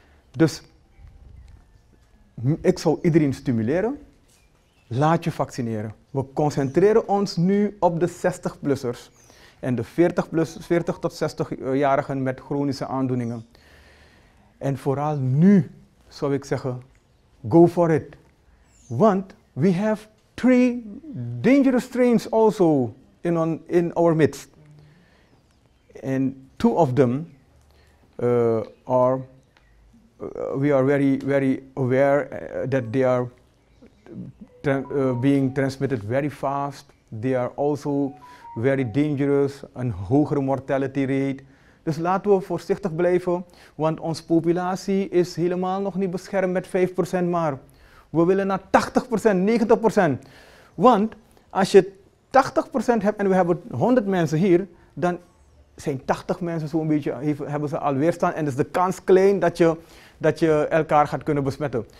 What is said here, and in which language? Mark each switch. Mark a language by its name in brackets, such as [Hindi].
[Dutch] Dus ik zou iedereen stimuleren, laat je vaccineren. We concentreren ons nu op de 60-plussers en de 40 tot 60-jarigen met chronische aandoeningen. En vooral nu zou ik zeggen, [English] go for it. [Dutch] Want [English] we have 3 dangerous strains also in our midst. And 2 of them we are very, very aware that they are being transmitted very fast. They are also very dangerous, [Dutch] een hogere [English] mortality rate. [Dutch] Dus laten we voorzichtig blijven, want onze populatie is helemaal nog niet beschermd met 5%, maar we willen naar 80%, 90%. Want als je 80% hebt en we hebben 100 mensen hier, dan zijn 80 mensen zo'n beetje, hebben ze al weerstand en is de kans klein dat je elkaar gaat kunnen besmetten.